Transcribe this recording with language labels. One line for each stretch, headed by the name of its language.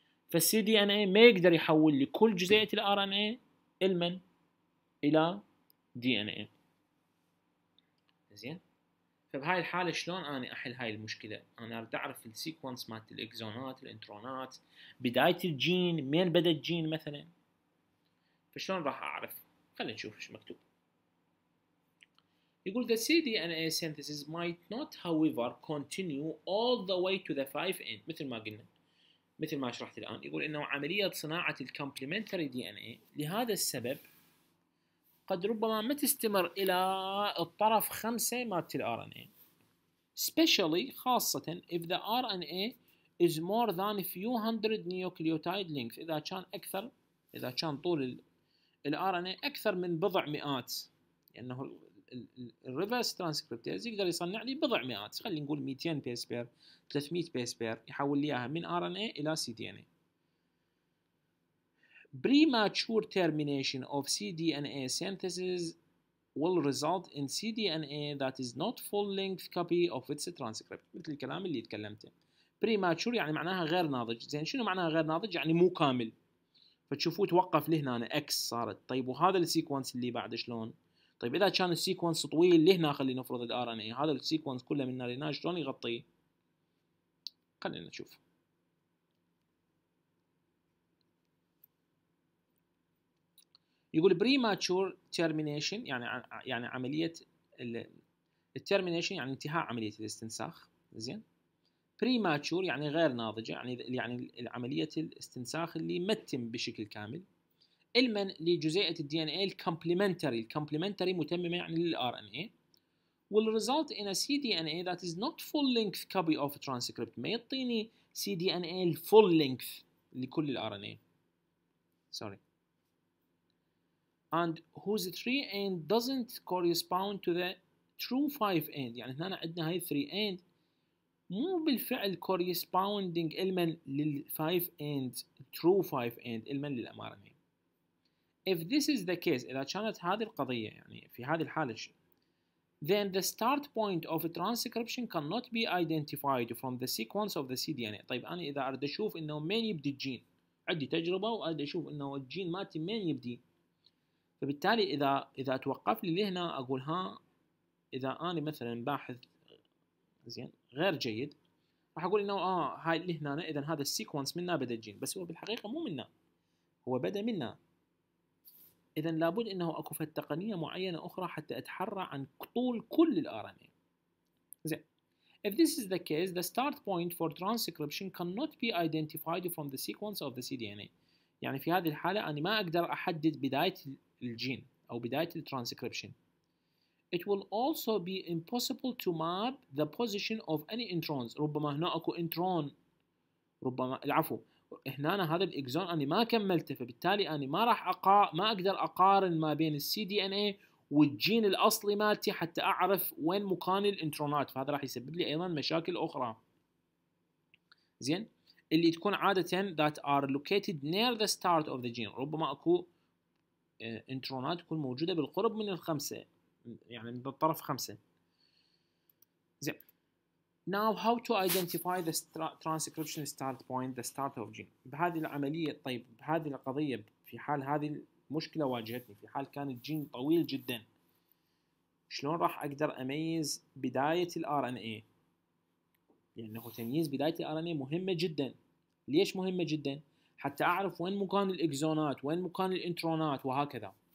Arabic: فالسي دي ان اي ما يقدر يحول لكل جزيئه الار ان اي المن الى دي ان اي. زين؟ فبهاي الحاله شلون انا احل هاي المشكله؟ انا اريد اعرف السيكونس مالت الاكزونات الانترونات، بدايه الجين، مين بدا الجين مثلا. فشلون راح اعرف؟ خلينا نشوف ايش مكتوب. يقول
English: the cDNA synthesis might not however continue all the way to the 5 end.
Arabic: مثل ما قلنا، مثل ما شرحت الآن، يقول إنه عملية صناعة الـ complementary DNA لهذا السبب قد ربما ما تستمر إلى الطرف 5 مالت الـ RNA،
English: especially
Arabic: خاصة
English: if the RNA is more than a few hundred nucleotide length.
Arabic: إذا كان أكثر، إذا كان طول الار ان اي اكثر من بضع مئات، لانه الريفرس ترانسكريبتاز يقدر يصنع لي بضع مئات، خلينا نقول 200 بيس بير 300 بيس بير، يحول لي اياها من ار ان اي الى سي دي ان اي.
English: Premature termination of cDNA synthesis will result in cDNA that is not full length copy of its transcript.
Arabic: مثل الكلام اللي تكلمته. Premature يعني معناها غير ناضج. زين شنو معناها غير ناضج؟ يعني مو كامل. فتشوفوا توقف لهنا أنا X صارت. طيب وهذا السيكونس اللي بعد شلون؟ طيب إذا كان السيكونس طويل لهنا، خلينا نفرض الـ RNA هذا السيكونس كله من هنا شلون يغطيه؟ خلينا نشوف. يقول premature termination يعني عملية التيرمينيشن يعني انتهاء عملية الاستنساخ. زين premature يعني غير ناضجة، يعني عملية الاستنساخ اللي ما تتم بشكل كامل. المن لجزيئة الدي ان اي الكومبلمنتري، الكومبلمنتري متممة يعني للار ان اي.
English: will result in a cDNA that is not full length copy of a transcript،
Arabic: ما يعطيني cDNA full length لكل الار ان اي.
English: Sorry. And whose 3-end doesn't correspond to the true 5-end.
Arabic: يعني هنا عندنا هاي 3-end مو بالفعل corresponding المن لل 5-end true 5-end المن للمRNA.
English: If this is the case،
Arabic: إذا كانت هذه القضية يعني في هذه الحالة شو،
English: then the start point of a transcription cannot be identified from the sequence of the cDNA.
Arabic: طيب أنا إذا أريد أشوف إنه من يبدي الجين، عندي تجربة وأريد أشوف إنه الجين ماتي من يبدي، فبالتالي اذا توقف لي هنا اقول ها، اذا انا مثلا باحث زين غير جيد راح اقول انه هاي اللي هنا، اذا هذا السيكونس منا بدا الجين، بس هو بالحقيقه مو منا، هو بدا منا. اذا لابد انه اكو في التقنيه معينه اخرى حتى اتحرى عن طول كل الار ان اي. زين
English: if this is the case the start point for transcription cannot be identified from the sequence of the cDNA.
Arabic: يعني في هذه الحاله انا ما اقدر احدد بدايه الجين أو بداية الترانسكريبشن.
English: It will also be impossible to map the position of any introns.
Arabic: ربما هنا أكو انترون، ربما العفو هنا أنا هذا الإكزون أنا ما كملته، فبالتالي أنا ما راح ما أقدر أقارن ما بين السي دي إن إيه والجين الأصلي مالتي حتى أعرف وين مكان الانترونات، فهذا راح يسبب لي أيضا مشاكل أخرى. زين اللي تكون عادة
English: that are located near the start of the gene.
Arabic: ربما أكو انترونات تكون موجودة بالقرب من الخمسة، يعني من الطرف خمسة. زين
English: now how to identify the transcription start point the start of gene
Arabic: بهذه العملية. طيب بهذه القضية في حال هذه المشكلة واجهتني، في حال كان الجين طويل جدا، شلون راح أقدر أميز بداية الـ RNA؟ يعني هو تمييز بداية الـ RNA مهمة جدا. ليش مهمة جدا؟ حتى أعرف وين مكان الإكزونات، وين مكان الإنترونات، وهكذا.